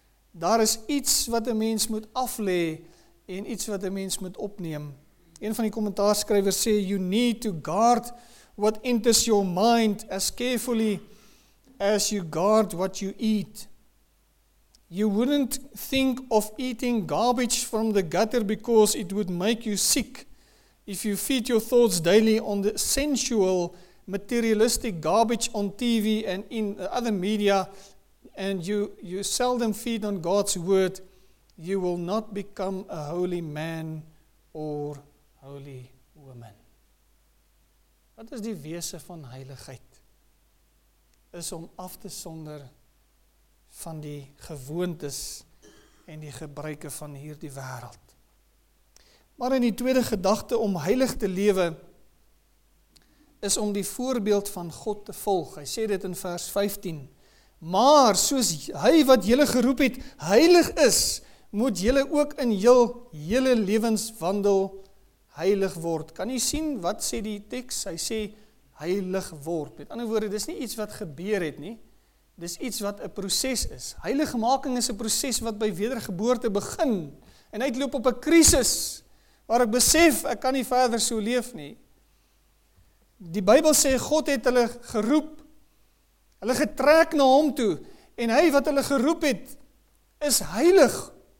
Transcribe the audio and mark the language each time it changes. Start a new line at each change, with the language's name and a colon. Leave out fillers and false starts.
Afrikaans: Daar is iets wat een mens moet aflê en iets wat een mens moet opneem. Een van die kommentaarskrywers sê,
English: you need to guard what enters your mind as carefully as you guard what you eat. You wouldn't think of eating garbage from the gutter because it would make you sick. If you feed your thoughts daily on the sensual, materialistic garbage on TV and in other media, and you seldom feed on God's word, you will not become a holy man or holy woman.
Afrikaans: Wat is die wese van heiligheid? Is om af te sonder van die gewoontes en die gebruike van hierdie wêreld. Maar in die tweede gedagte om heilig te lewe, is om die voorbeeld van God te volg. Hy sê dit in vers 15. Maar soos hy wat julle geroep het heilig is, moet julle ook in jul hele lewenswandel heilig word. Kan jy sien wat sê die tekst? Hy sê heilig word. Met ander woorde, dis nie iets wat gebeur het nie. Dis iets wat 'n proses is. Heiligmaking is 'n proses wat by wedergeboorte begin en uitloop op 'n krisis waar ek besef ek kan nie verder so leef nie. Die Bybel sê God het hulle geroep. Hulle getrek na hom toe en hy wat hulle geroep het is heilig.